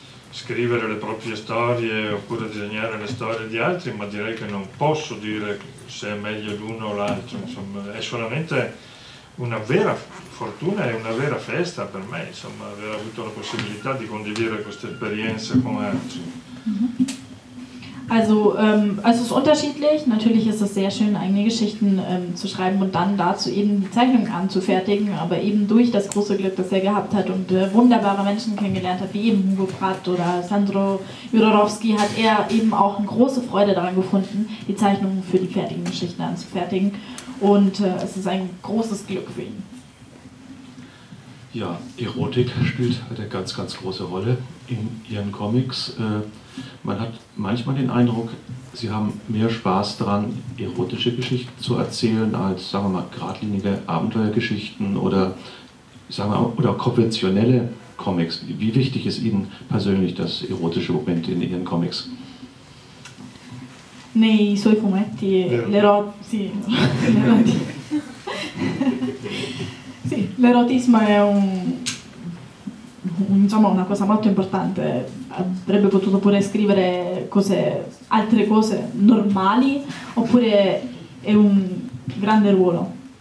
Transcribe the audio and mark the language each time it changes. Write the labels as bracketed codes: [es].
[it] scrivere le proprie storie oppure disegnare le storie di altri, ma direi che non posso dire se è meglio l'uno o l'altro, insomma, è solamente una vera fortuna e una vera festa per me, insomma, aver avuto la possibilità di condividere queste esperienze con altri. [de] Also, es ist unterschiedlich. Natürlich ist es sehr schön, eigene Geschichten zu schreiben und dann dazu eben die Zeichnung anzufertigen. Aber eben durch das große Glück, das er gehabt hat und wunderbare Menschen kennengelernt hat, wie eben Hugo Pratt oder Sandro Jodorowsky, hat er eben auch eine große Freude daran gefunden, die Zeichnungen für die fertigen Geschichten anzufertigen. Und es ist ein großes Glück für ihn. Ja, Erotik spielt eine ganz, ganz große Rolle in Ihren Comics. Man hat manchmal den Eindruck, Sie haben mehr Spaß daran, erotische Geschichten zu erzählen, als, sagen wir mal, geradlinige Abenteuergeschichten oder, sagen wir mal, oder konventionelle Comics. Wie wichtig ist Ihnen persönlich das erotische Moment in Ihren Comics? [it] Nei suoi fumetti, l'erotismo è insomma, una cosa molto importante. Avrebbe potuto pure scrivere altre cose normali oppure è un grande ruolo?